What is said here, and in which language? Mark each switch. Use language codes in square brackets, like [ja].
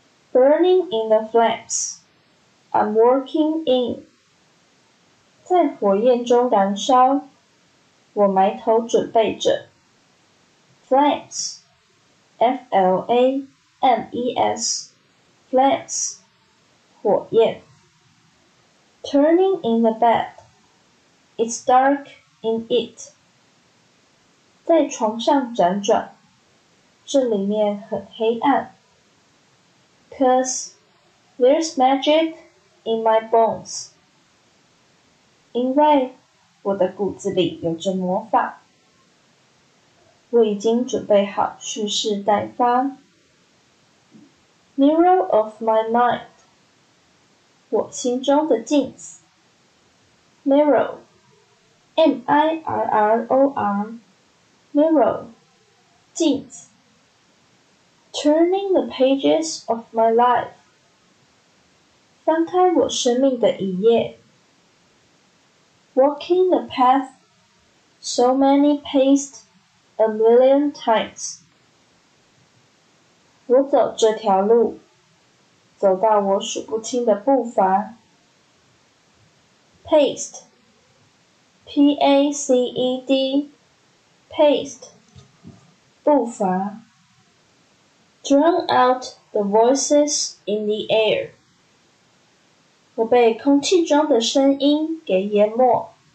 [en] Burning in the flames, I'm working in. [zh] 在火焰中燃烧，我埋头准备着。 [en] Flames, F-L-A-M-E-S, flames, [zh] 火焰。 [en] Turning in the bed, it's dark in it. [zh] 在床上辗转，这里面很黑暗。 [en] Cause there's magic in my bones. [zh] 因为我的骨子里有着魔法，我已经准备好蓄势待发。 [en] Mirror of my mind, [zh] 我心中的镜子。 [en] Mirror, M-I-R-R-O-R, mirror, [zh] 镜子。 [en] Turning the pages of my life, [zh] 翻开我生命的一页。 [en] Walking the path so many paced a million times. [zh] 我走这条路，走到我数不清的步伐。 [en] Paste, P-A-C-E-D, Paste, [zh] 步伐。 [en] Drown out the voices in the air, [zh] 我被空气中的声音给淹没。